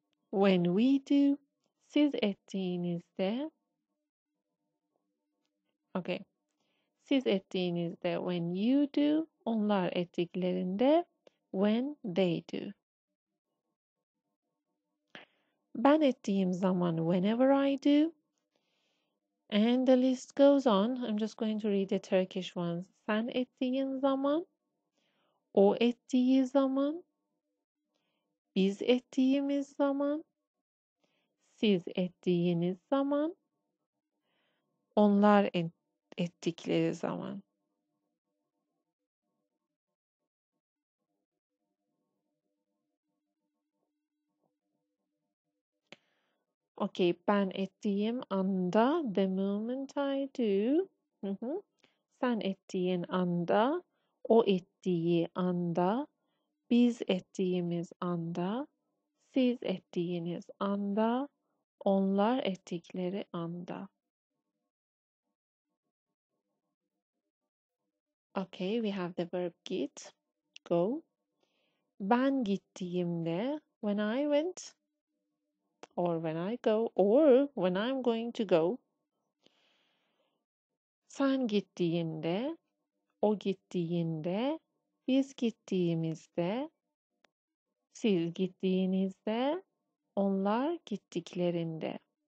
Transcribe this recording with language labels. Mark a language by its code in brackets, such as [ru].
[en] When we do, [tr] siz ettiğinizde, [en] okay, [tr] siz ettiğinizde, [en] when you do, [tr] onlar ettiklerinde, [en] when they do. [tr] Ben ettiğim zaman, [en] whenever I do, and the list goes on, I'm just going to read the Turkish ones. [tr] Sen ettiğin zaman, o ettiği zaman, biz ettiğimiz zaman, siz ettiğiniz zaman, onlar ettikleri zaman. [en] Okay, [tr] ben ettiğim anda, [en] the moment I do. [tr] Sen ettiğin anda, o ettiği anda, biz ettiğimiz anda, siz ettiğiniz anda, onlar ettikleri anda. [en] Okay, we have the verb git, go. [tr] Ben gittiğimde, [en] when I went, or when I go, or when I'm going to go. [tr] Sen gittiğinde, o gittiğinde, biz gittiğimizde, siz gittiğinizde, onlar gittiklerinde.